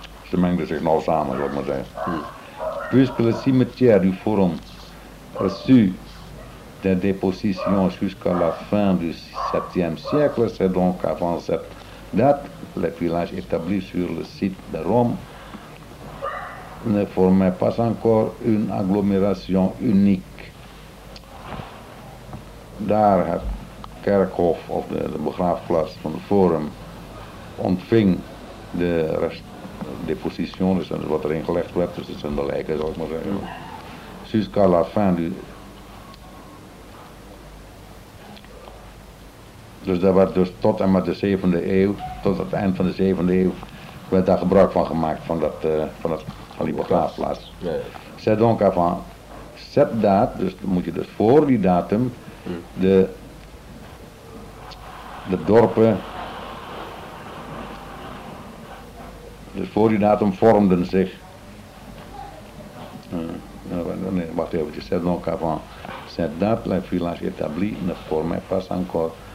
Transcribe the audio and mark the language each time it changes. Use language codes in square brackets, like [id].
[nl] Ze mengden zich nauw samen, zal ik maar zeggen. [fr] Puisque le cimetière du Forum reçut des dépositions jusqu'à la fin du 7e siècle, c'est donc avant cette date que les villages établis sur le site de Rome ne formaient pas encore une agglomération unique. [nl] Daar het kerkhof, of de begraafplaats van de Forum, ontving de rest. Deposition, dus wat erin gelegd werd, dus het zijn de lijken, zal ik maar zeggen. [fr] Jusqu'à la fin du. [nl] Dus daar werd dus tot en met de 7e eeuw, tot het eind van de 7e eeuw, werd daar gebruik van gemaakt, van dat van die begraafplaats. [fr] C'est donc avant cette date, [nl] dus moet je dus voor die datum, de dorpen. Dus voor die datum vormden zich. Wacht even, [fr] c'est donc avant cette date, les villages établis ne formaient pas encore.